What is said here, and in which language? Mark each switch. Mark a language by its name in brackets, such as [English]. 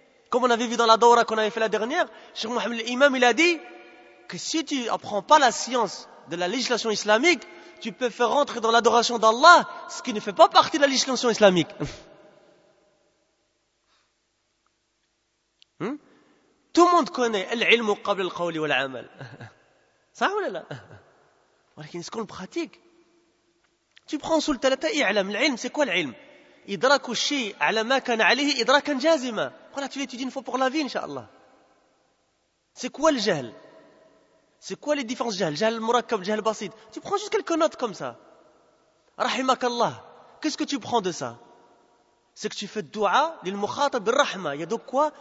[French] Comme on avait vu dans la daura qu'on avait fait la dernière, Cheikh Mohammed l'imam, il a dit que si tu apprends pas la science de la législation islamique, tu peux faire rentrer dans l'adoration d'Allah ce qui ne fait pas partie de la législation islamique. Hmm? Tout le monde connaît l'ilm qabla al-qawli wa al-amal. Ça ou là? Mais est-ce qu'on le pratique? Tu prends sous le talata, i'lam, l'ilm, c'est quoi l'ilm? [Arabic] إدراك الشيء على ما كان عليه إدراكا جازما. [French] Voilà, tu l'étudies une fois pour la vie, inshallah. C'est quoi le jahl? C'est quoi les différences jahl? Jahl murakkab, jahl basid. Tu prends juste quelques notes comme ça. Rahimak Allah. Qu'est-ce que tu prends de ça? C'est que tu fais du'a lil mukhatab bir rahma. Il y a donc quoi?